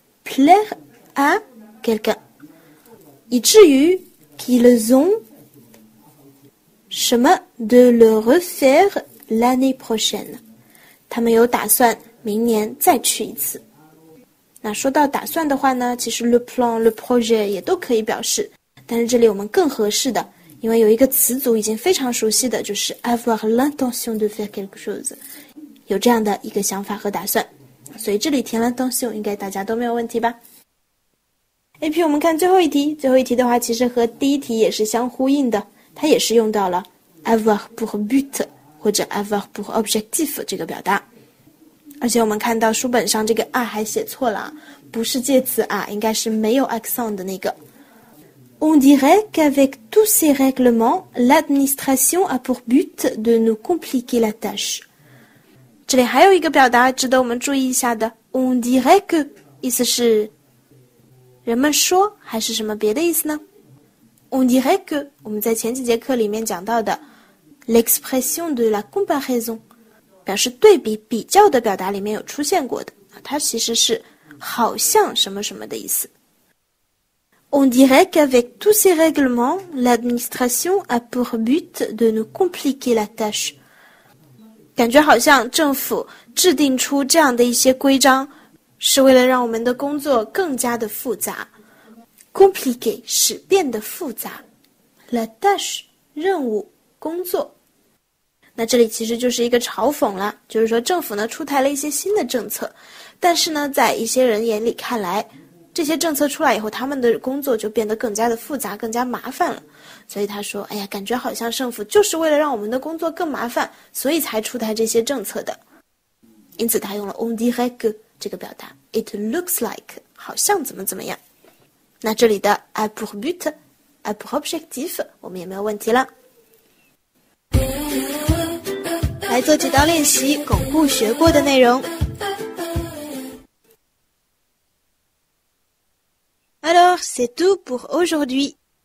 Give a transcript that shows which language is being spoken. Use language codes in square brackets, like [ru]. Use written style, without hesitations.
[fr] plaire à quelqu'un [zh] 以至于 [fr] qu'ils ont [zh] 什么 [fr] de le refaire l'année prochaine [zh] 他们有打算明年再去一次。那说到打算的话呢，其实 le plan, le projet 也都可以表示，但是这里我们更合适的，因为有一个词组已经非常熟悉的，就是 [fr] avoir l'intention de faire quelque chose, [zh] 有这样的一个想法和打算，所以这里填了 intention 应该大家都没有问题吧。 AP 我们看最后一题。最后一题的话其实和第一题也是相呼应的，它也是用到了 avoir pour but 或者 avoir pour objectif 这个表达。而且我们看到书本上这个 à 还写错了，不是介词 à, 应该是没有 accent 的那个。 [fr] On dirait qu'avec tous ces règlements, l'administration a pour but de nous compliquer la tâche. [zh] 这里还有一个表达值得我们注意一下的。 [fr] On dirait que, [zh] 意思是人们说还是什么别的意思呢？ [fr] On dirait que, [zh] 我们在前几节课里面讲到的 [fr] l'expression de la comparaison. [zh] 表示对比比较的表达里面有出现过的，它其实是好像什么什么的意思。 [fr] On dirait qu'avec tous ces règlements, l'administration a pour but de nous compliquer la tâche. [zh] 感觉好像政府制定出这样的一些规章是为了让我们的工作更加的复杂。 Compliqué 是变得复杂， la tâche 任务工作。那这里其实就是一个嘲讽了，就是说政府呢出台了一些新的政策，但是呢在一些人眼里看来，这些政策出来以后他们的工作就变得更加的复杂更加麻烦了。所以他说，哎呀，感觉好像政府就是为了让我们的工作更麻烦，所以才出台这些政策的。因此他用了 [fr] on dirait que [zh] 这个表达， [en] it looks like [zh] 好像怎么怎么样。那这里的 à pour but, à pour objectif 我们也没有问题了。来做几道练习，巩固学过的内容。 [fr] Alors, c'est tout pour aujourd'hui.